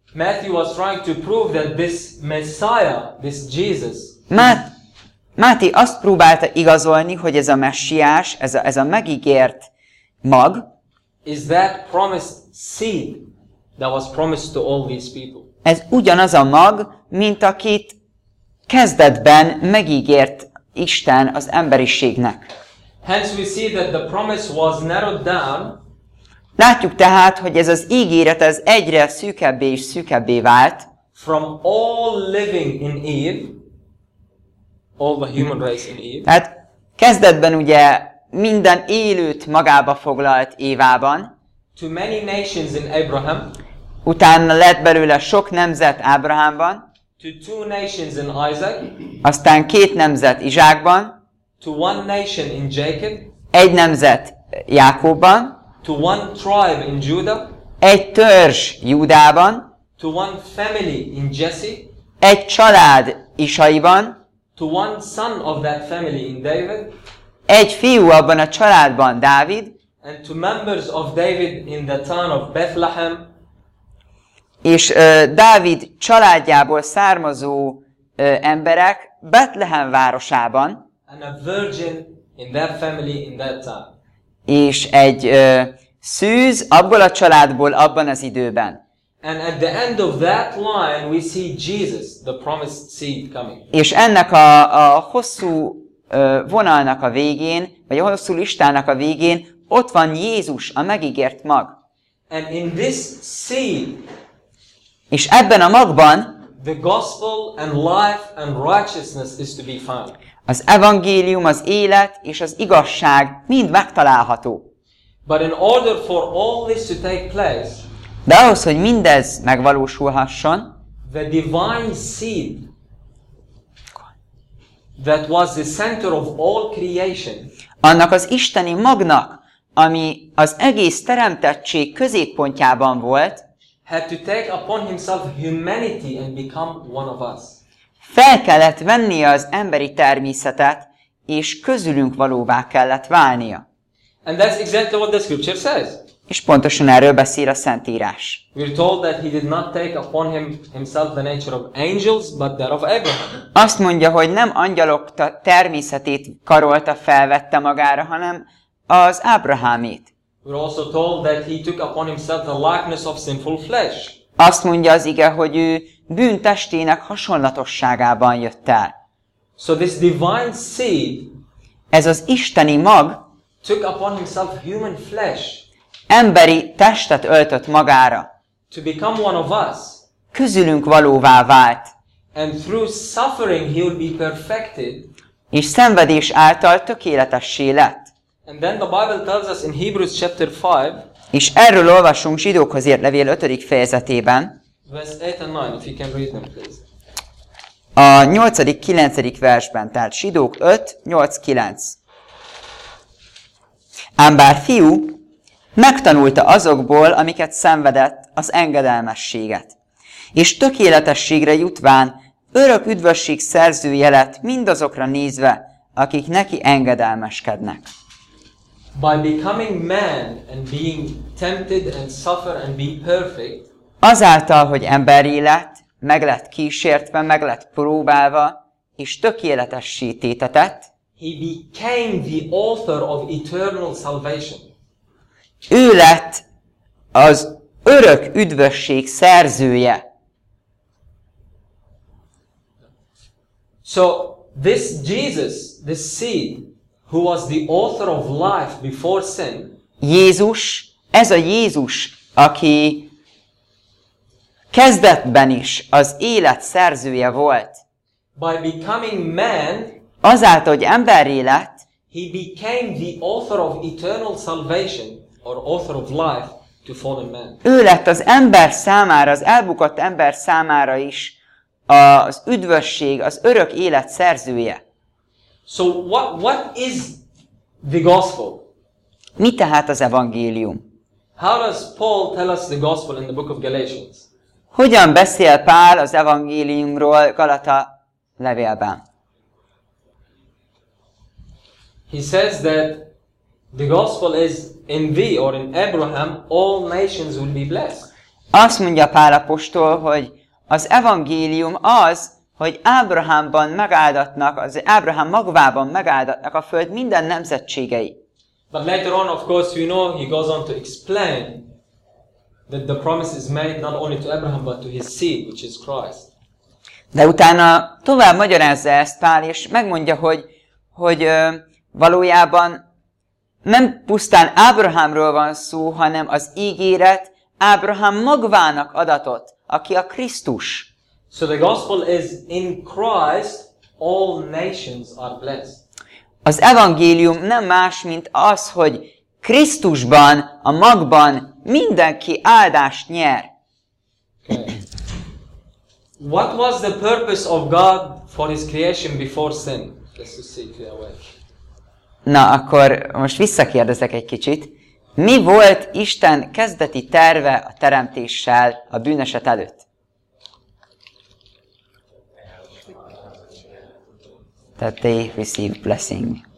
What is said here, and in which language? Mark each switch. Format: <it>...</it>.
<en>Matthew was trying to prove that this Messiah, this Jesus.</en> <hu>Máté azt próbálta igazolni, hogy ez a messiás, ez a megígért mag.</hu> <en>Is that promised seed that was promised to all these people?</en> <hu>Ez ugyanaz a mag, mint akit kezdetben megígért Isten az emberiségnek.</hu> <en>Hence we see that the promise was narrowed down.</en> <hu>Látjuk tehát, hogy ez az ígéret ez egyre szűkebbé és szűkebbé vált.</hu> <en>From all living in Eve, all the human race in Eve.</en> <hu>Tehát kezdetben ugye minden élőt magába foglalt Évában.</hu> <en>To many nations in Abraham.</en> <hu>Utána lett belőle sok nemzet Ábrahámban.</hu> <en>To two nations in Isaac.</en> <hu>Aztán két nemzet Izsákban.</hu> <en>To one nation in Jacob.</en> <hu>Egy nemzet Jákobban.</hu> <en>To one tribe in Judah.</en> <hu>Egy törzs Júdában.</hu> <en>To one family in Jesse.</en> <hu>Egy család Isaiban.</hu> <en>To one son of that family in David.</en> <hu>Egy fiú abban a családban, Dávid.</hu> <en>And to members of David in the town of Bethlehem.</en> <hu>És Dávid családjából származó emberek Betlehem városában.</hu> <en>And a virgin in that family in that time.</en> <hu>És egy szűz abból a családból abban az időben.</hu> <en>And at the end of that line we see Jesus, the promised seed coming.</en> <hu>És ennek a hosszú vonalnak a végén, vagy a hosszú listának a végén ott van Jézus, a megígért mag.</hu> <en>And in this seed.</en> <hu>És ebben a magban</hu> <en>the gospel and life and righteousness is to be found.</en> <hu>Az evangélium, az élet és az igazság mind megtalálható.</hu> <en>But in order for all this to take place,</en> <hu>de ahhoz, hogy mindez megvalósulhasson,</hu> <en>the divine seed that was the center of all creation,</en> <hu>annak az isteni magnak, ami az egész teremtettség középpontjában volt,</hu> <en>had to take upon himself humanity and become one of us.</en> <hu>Fel kellett vennie az emberi természetet, és közülünk valóvá kellett válnia.</hu> <en>And that's exactly what the scripture says.</en> <hu>És pontosan erről beszél a Szentírás.</hu> <en>We're told that he did not take upon himself the nature of angels, but that of Abraham.</en> <hu>Azt mondja, hogy nem angyalok természetét karolta, felvette magára, hanem az Ábrahámét.</hu> <en>We're also told that he took upon himself the likeness of sinful flesh.</en> <hu>Azt mondja az ige, hogy ő bűntestének hasonlatosságában jött el.</hu> <en>So this divine seed,</en> <hu>ez az isteni mag,</hu> <en>took upon himself human flesh,</en> <hu>emberi testet öltött magára,</hu> <en>to become one of us,</en> <hu>közülünk valóvá vált,</hu> <en>and through suffering he would be perfected,</en> <hu>és szenvedés által tökéletessé lett.</hu> <en>And then the Bible tells us in Hebrews chapter 5,</en> <hu>és erről olvasunk Zsidókhoz írt levél 5. fejezetében,</hu> <en>verse 8 and 9, if you can read them please.</en> <hu>A 8.-9. versben, tehát Zsidók 5.-8.-9. Ám bár fiú, megtanulta azokból, amiket szenvedett, az engedelmességet, és tökéletességre jutván örök üdvösség szerzője lett mindazokra nézve, akik neki engedelmeskednek.</hu> <en>By becoming man and being tempted and suffer and be perfect,</en> <hu>azáltal, hogy emberré lett, meg lett kísértve, meg lett próbálva, és tökéletessé tétetett,</hu> <en>he became the author of eternal salvation.</en> <hu>Ő lett az örök üdvösség szerzője.</hu> <en>So this Jesus, this seed, who was the author of life before sin.</en> <hu>Jézus, ez a Jézus, aki kezdetben is az élet szerzője volt.</hu> <en>By becoming man,</en> <hu>azáltal, hogy emberré lett,</hu> <en>he became the author of eternal salvation, or author of life to fallen man.</en> <hu>Ő lett az ember számára, az elbukott ember számára is az üdvösség, az örök élet szerzője.</hu> <en>So what is the gospel?</en> <hu>Mi tehát az evangélium?</hu> <en>How does Paul tell us the gospel in the book of Galatians?</en> <hu>Hogyan beszél Pál az evangéliumról Galata levélben?</hu> <en>He says that the gospel is in thee or in Abraham all nations will be blessed.</en> <hu>Azt mondja Pál apostol, hogy az evangélium az, hogy Ábrahámban megáldatnak, az Ábrahám magvában megáldatnak a föld minden nemzetségei.</hu> <en>But later on, of course, you know, he goes on to explain that the promise is made not only to Abraham but to his seed, which is Christ.</en> <hu>De utána tovább magyarázza ezt Pál, és megmondja, hogy valójában nem pusztán Ábrahámról van szó, hanem az ígéret Ábrahám magvának adatot, aki a Krisztus.</hu> <en>So the gospel is in Christ all nations are blessed.</en> <hu>Az evangélium nem más, mint az, hogy Krisztusban, a magban mindenki áldást nyer.</hu> <en>Okay. What was the purpose of God for his creation before sin? Let's see if you're aware.</en> <hu>Na, akkor most visszakérdezek egy kicsit. Mi volt Isten kezdeti terve a teremtéssel a bűneset előtt?</hu> <en>That they receive blessing.</en>